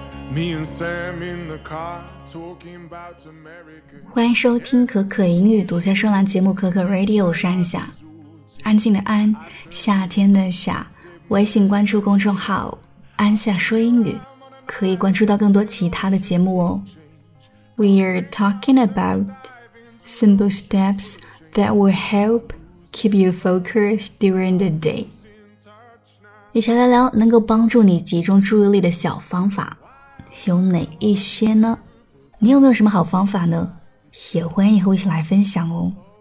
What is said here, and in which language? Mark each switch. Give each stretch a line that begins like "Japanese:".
English: Me and Sam in the car, talking about America.
Chinese: 欢迎收听可可英语独家专栏节目可可 Radio， 我是安夏，安静的安，夏天的夏。微信关注公众号安夏说英语，可以关注到更多其他的节目哦。
English: We are talking about simple steps that will help keep you focused during the day.
Chinese: 一起来聊能够帮助你集中注意力的小方法，有哪一些呢？你有没有什么好方法呢？也欢迎和我一起来分享哦。